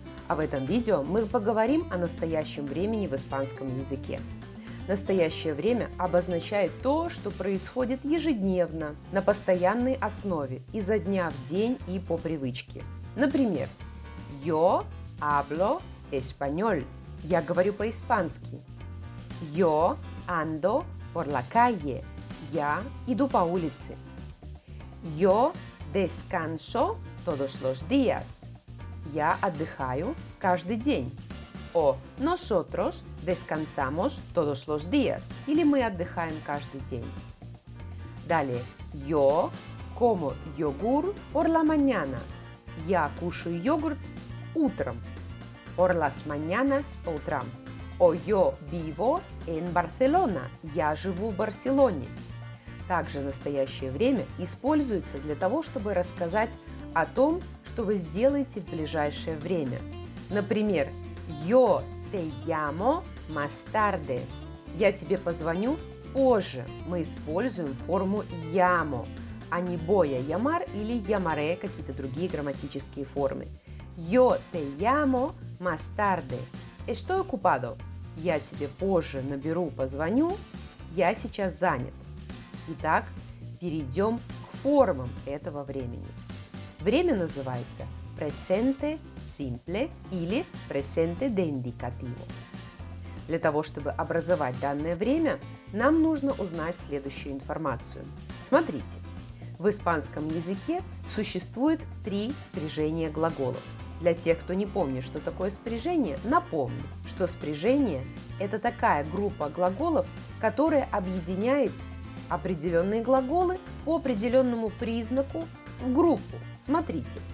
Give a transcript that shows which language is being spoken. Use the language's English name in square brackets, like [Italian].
[Russian] А в этом видео мы поговорим о настоящем времени в испанском языке. Настоящее время обозначает то, что происходит ежедневно, на постоянной основе, изо дня в день и по привычке. Например, [Spanish] «Yo hablo español» [Russian] – «Я говорю по-испански». [Spanish] «Yo ando por la calle» – [Russian] «Я иду по улице». [Spanish] «Yo descanso todos los días» – [Russian] «Я отдыхаю каждый день». [Spanish] O nosotros descansamos todos los días. [Russian] Или мы отдыхаем каждый день. Далее. [Spanish] Yo como yogur por la mañana. [Russian] Я кушаю йогурт утром. [Spanish] Por las mañanas, [Russian] по утрам. [Spanish] O yo vivo en Barcelona. [Russian] Я живу в Барселоне. Также настоящее время используется для того, чтобы рассказать о том, что вы сделаете в ближайшее время. [Spanish] Например, Yo te llamo más tarde. [Russian] Я тебе позвоню позже. Мы используем форму llamo, а не [Spanish] voy a llamar [Russian] или llamaré, какие-то другие грамматические формы. [Spanish] Yo te llamo más tarde. Estoy ocupado. [Russian] Я тебе позже наберу, позвоню. Я сейчас занят. Итак, перейдем к формам этого времени. Время называется presente simple или presente de indicativo. Для того, чтобы образовать данное время, нам нужно узнать следующую информацию. Смотрите, в испанском языке существует три спряжения глаголов. Для тех, кто не помнит, что такое спряжение, напомню, что спряжение – это такая группа глаголов, которая объединяет определенные глаголы по определенному признаку в группу. Смотрите.